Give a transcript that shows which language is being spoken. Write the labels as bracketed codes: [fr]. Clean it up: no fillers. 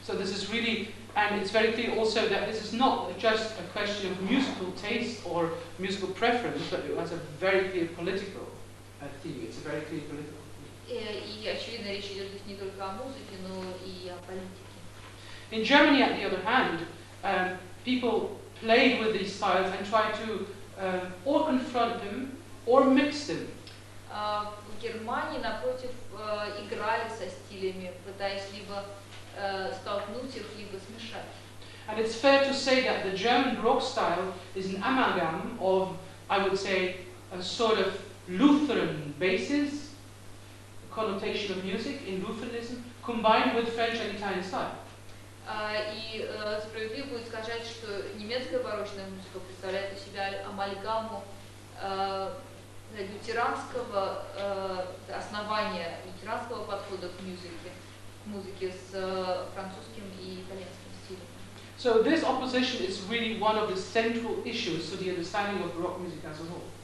[en] So this is really, and it's very clear also that this is not just a question of musical taste or musical preference, but it was a very clear political theme. It's a very clear political theme. [ru] И очевидно, речь идет здесь не только о музыке, но и о политике. [en] In Germany, on the other hand, people played with these styles and tried to or confront them or mix them. [ru] В Германии, напротив, играли со стилями, пытаясь либо столкнуть их, либо смешать. [en] And it's fair to say that the German Baroque style is an amalgam of, I would say, a sort of Lutheran basis, connotation of music in Lutheranism, combined with French and Italian style. [ru] И справедливо будет сказать, что немецкая барочная музыка представляет из себя амальгаму лютеранского основания, лютеранского подхода к музыке, с французским и итальянским стилем. [en] So this opposition is really one of the central issues to the understanding of baroque music as a whole.